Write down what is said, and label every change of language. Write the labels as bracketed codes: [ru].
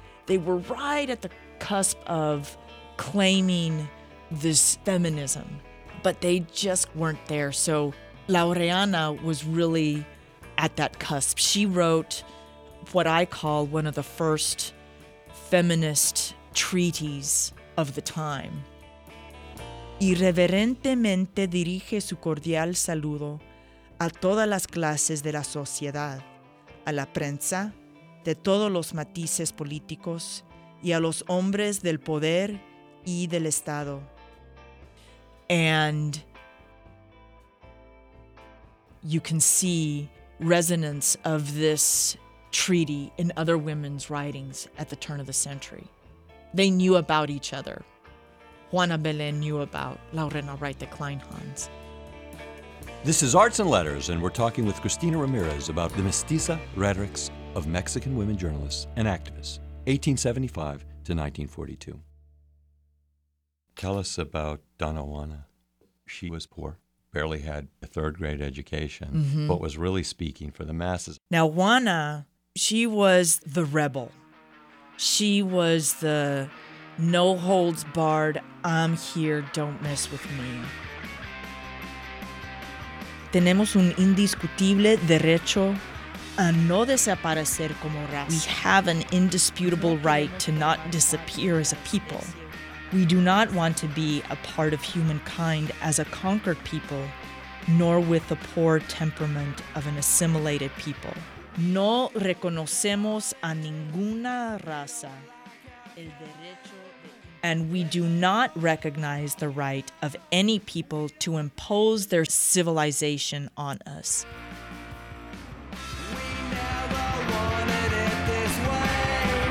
[en] They were right at the cusp of claiming this feminism, but they just weren't there. So Laureana was really at that cusp. She wrote what I call one of the first feminist treaties of the time. [es] Irreverentemente dirige su cordial saludo a todas las clases de la sociedad, a la prensa, de todos los matices políticos y a los hombres del poder y del Estado. [en] And you can see resonance of this treaty in other women's writings at the turn of the century. They knew about each other. Juana Belén knew about Laurena Wright de Kleinhans. This is Arts and Letters, and we're talking with Cristina Ramirez about the mestiza rhetorics of Mexican women journalists and activists, 1875 to 1942. Tell us about Doña Juana. She was poor, barely had a third grade education, mm-hmm. but was really speaking for the masses. Now, Juana, she was the rebel. She was the no holds barred, I'm here, don't mess with me. [es] Tenemos un indiscutible derecho a no desaparecer como raza. [en] We have an indisputable right to not disappear as a people. We do not want to be a part of humankind as a conquered people, nor with the poor temperament of an assimilated people. [es] No reconocemos a ninguna raza. El derecho. [en] And we do not recognize the right of any people to impose their civilization on us. We never wanted it this way.